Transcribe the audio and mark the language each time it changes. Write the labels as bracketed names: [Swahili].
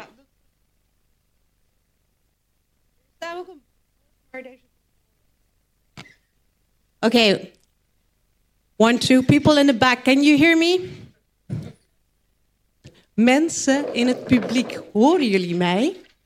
[Dutch] Ja, dat daar ook een maar deze. Oké. [English] One, two, people in the back, can you hear me? [Dutch] Mensen in het publiek, horen jullie mij?